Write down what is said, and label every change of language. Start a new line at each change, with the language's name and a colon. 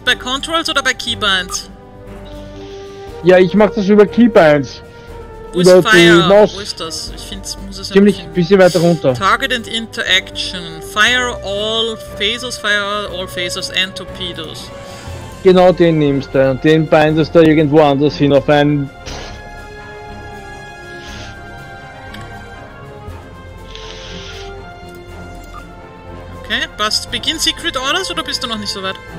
German: Bei Controls oder bei Keybinds? Ja, ich mach das über Keybinds. Wo ist Fire? Die Maus. Wo ist das? Ich find's, muss es ziemlich ein bisschen weiter runter.
English: Target and Interaction. Fire all phasers and torpedoes.
German: Genau den nimmst du und den bindest du irgendwo anders hin auf einen. Okay, passt. Begin Secret Orders oder bist du noch nicht so weit?